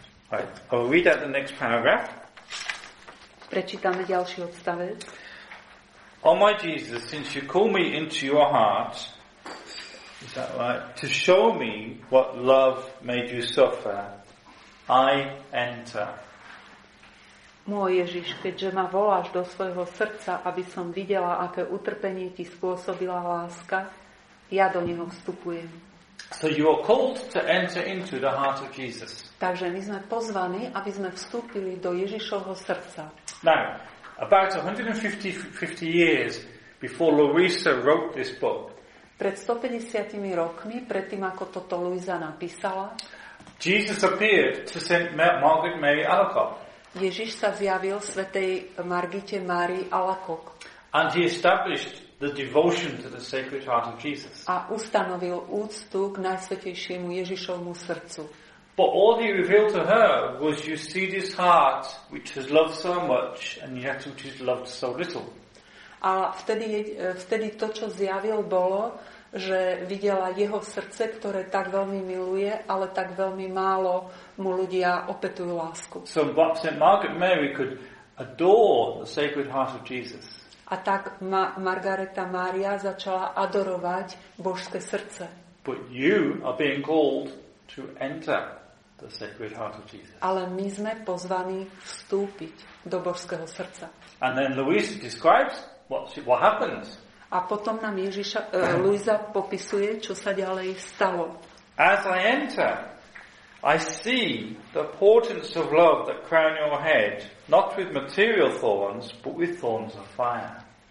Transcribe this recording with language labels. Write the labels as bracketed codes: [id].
[en] Right, I'll read out the next paragraph. [sk] Prečítame ďalší odstavec. [en] Oh my Jesus, since you call me into your heart, is that right? To show me what love made you suffer, I enter. [sk] Môj Ježiš, keďže ma voláš do svojho srdca, aby som videla, aké utrpenie ti spôsobila láska, ja do neho vstupujem. [en] So you are called to enter into the heart of Jesus. [sk] Takže my sme pozvaní, aby sme vstúpili do Ježišovho srdca. [en] Now, about 150 years before Louisa wrote this book. [sk] Pred 150 rokmi, predtým ako toto Louisa napísala, [en] Jesus appeared to St. Margaret Mary Alacoque. [sk] Ježiš sa zjavil svätej Margite Márii Alacoque. [en] And he established the devotion to the Sacred Heart of Jesus. [sk] A ustanovil úctu k najsvätejšiemu Ježišovmu srdcu. [en] But all he revealed to her was, you see this heart which has loved so much and yet which is loved so little. [sk] A vtedy to, čo zjavil, bolo, že videla jeho srdce, ktoré tak veľmi miluje, ale tak veľmi málo mu ľudia opetujú lásku. [en] So St. Margaret Mary could adore the Sacred Heart of Jesus. [sk] A tak Margareta Mária začala adorovať Božské srdce. [en] But you are being called to enter the Sacred Heart of Jesus. [sk] Ale my sme pozvaní vstúpiť do Božského srdca. [en] And then Louise describes what happens. [sk] A potom nám Ježiša, Luisa popisuje, čo sa ďalej stalo. [en] As I enter, I see the portents of love that crown your head, not with material thorns, but with thorns of fire.